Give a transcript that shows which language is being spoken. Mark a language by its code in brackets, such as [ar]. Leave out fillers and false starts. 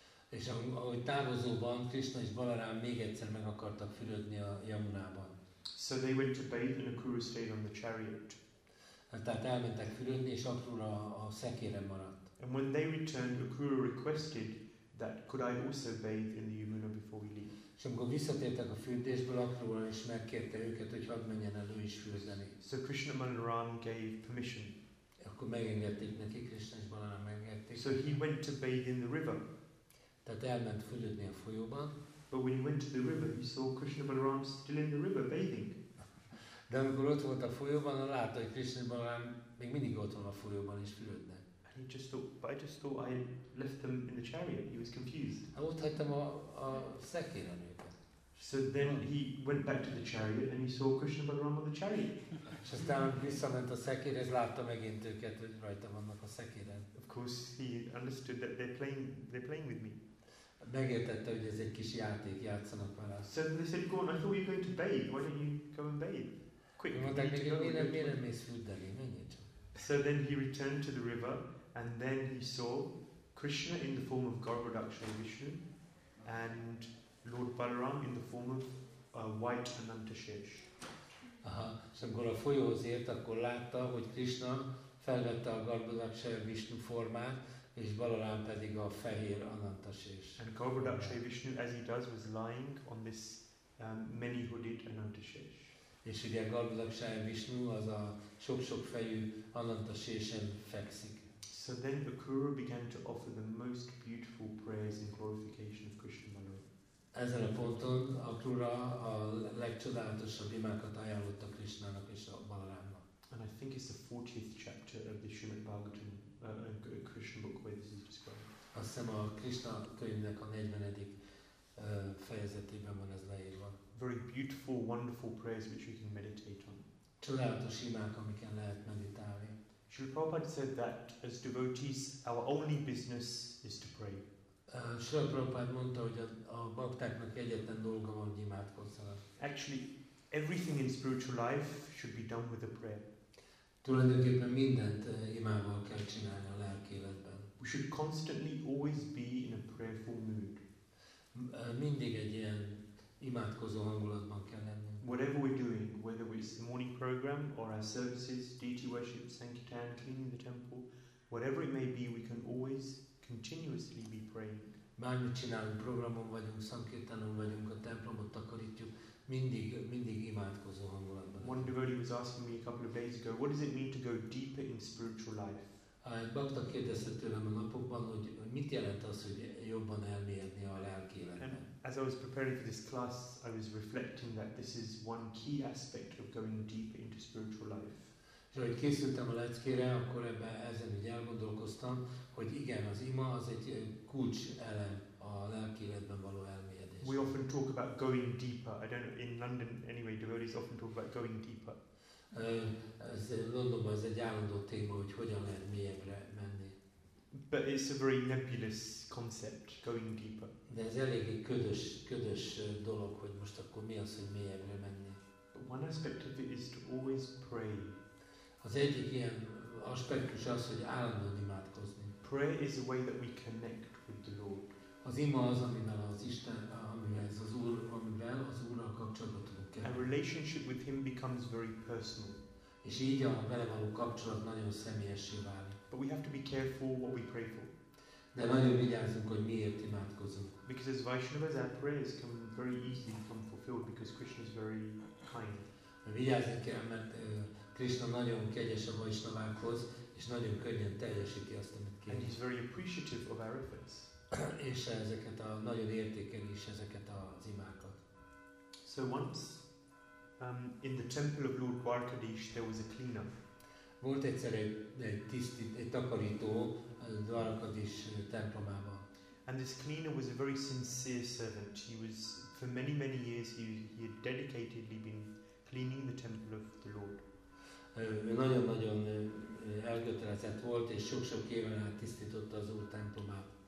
[hu] És ahogy távozóban Krishna és Balaram még egyszer meg akartak fürödni a Yamunában. [en] So they went to bathe and Akrura stayed on the chariot. [hu] Tehát elmentek fürödni, és Akrura a szekére maradt. [en] And when they returned, Akrura requested that could I also bathe in the Yamuna before we leave. [hu] És amikor visszatértek a fürdésből, Akrura is megkérte őket, hogy hadd menjen el ő is fürdeni. [en] So Krishna Balaram gave permission. [hu] Akkor megengedték neki, Krishna és Balaram megengedték. [en] So he went to bathe in the river. [hu] Tehát elment fürödni a folyóban. [en] But when he went to the river, he saw Krishna Balaram still in the river bathing. [hu] De amikor ott volt a folyóban, látta, hogy Krishna Balaram még mindig ott van a folyóban is fürödnek. [en] And he just thought, but I just thought I left them in the chariot. He was confused. [hu] Ott hagytam a szekéren őket. [en] So then he went back to the chariot and he saw Krishna Balaram on the chariot. [hu] És aztán visszament a szekérhez, látta megint őket, hogy rajta vannak a szekéren. [en] Of course he understood that they're playing with me. [hu] Megértette, hogy ez egy kis játék, játszanak vele. [en] So they said, go on, I thought you were going to bathe. Why don't you come and bathe? Quick, [hu] mondták neki, miért nem mész fürdeni, menjél csak. [en] So then he returned to the river, and then he saw Krishna in the form of Garbhodaksha Vishnu, and Lord Balaram in the form of white Anantashesh. [hu] Aha, és amikor a folyóhoz ért, akkor látta, hogy Krishna felvette a Garbhodaksha Vishnu formát, és Balaram pedig a fehér Anantashesh. [en] And Garbhodaksha Vishnu, as he does, was lying on this many-hooded Anantashesh. [hu] És ugye Garbhodaksha Vishnu az a sok-sok fejű Anantashesen fekszik. [en] So then Akrura began to offer the most beautiful prayers in glorification of Krishna Balaram. [hu] Ezen a ponton Akrura a legcsodálatosabb imákat ajánlotta Krishnának és a Balarámnak. [en] And I think it's the 40th chapter of the Srimad Bhagavatam, a Krishna book where this is described. [hu] Azt hiszem a Krishna könyvnek a 40. Fejezetében van ez leírva. [en] Very beautiful, wonderful prayers which we can meditate on. [hu] Csodálatos imák, amiken lehet meditálni. [en] Srila Prabhupada said that as devotees, our only business is to pray. [hu] Srila Prabhupada mondta, hogy a baktáknak egyetlen dolga van, hogy imádkozzanak. [en] Actually, Everything in spiritual life should be done with a prayer. [hu] Tulajdonképpen mindent imával kell csinálni a lelki életben. [en] We should constantly always be in a prayerful mood. [hu] Mindig egy ilyen imádkozó hangulatban kell lenni. [en] Whatever we're doing, whether it's the morning program or our services, deity worship, sankirtan, cleaning the temple, whatever it may be, we can always continuously be praying. [hu] Bármit csinálunk, programon vagyunk, szankirtanon vagyunk, a templomot takarítjuk, mindig imádkozó hangulatban. [en] One devotee was asking me a couple of days ago, what does it mean to go deeper in spiritual life? [hu] Egy bakta kérdezte tőlem a napokban, hogy mit jelent az, hogy jobban elmélyedni a lelki életben. [en] As I was preparing for this class, I was reflecting that this is one key aspect of going deep into spiritual life. [hu] És ahogy készültem a leckére, akkor ebben ezen így elgondolkoztam, hogy igen, az ima az egy kulcs elem a lelki életben való elmélyedés. [en] We often talk about going deeper. I don't know, in London anyway, devotees often talk about going deeper. [hu] Londonban ez egy állandó téma, hogy hogyan lehet mélyebbre menni. [en] But it's a very nebulous concept, going deeper. [hu] De ez elég egy ködös dolog, hogy most akkor mi az, hogy mélyebbre menni. [en] But one aspect of it is to always pray. [hu] Az egyik ilyen aspektus az, hogy állandóan imádkozni. [en] Prayer is a way that we connect with the Lord. [hu] Az ima az, amivel az Isten, amivel az Úr, amivel az Úrral kapcsolatot tudunk kerülni. [en] A relationship with Him becomes very personal. [hu] És így a vele való kapcsolat nagyon személyessé válik. [en] But we have to be careful what we pray for. [hu] De nagyon vigyázzunk, hogy miért imádkozunk. [en] Because as Vaishnavas, our prayers can very easily become fulfilled because Krishna is very kind. [hu] Vigyázzunk kell, mert Krishna nagyon kegyes a Vaishnavákhoz, és nagyon könnyen teljesíti azt, amit kér. [en] And He's very appreciative of our efforts. [hu] És ezeket a nagyon értékeli is ezeket az imákat. [en] So once in the temple of Lord Dwarkadish there was a cleaner. [hu] Volt egyszer egy takarító Dwarkadish templomában. [en] And this cleaner was a very sincere servant. He was for many many years he had dedicatedly been cleaning the temple of the Lord. [hu] Nagyon-nagyon elkötelezett volt és sok-sok éven át tisztította az Úr templomát.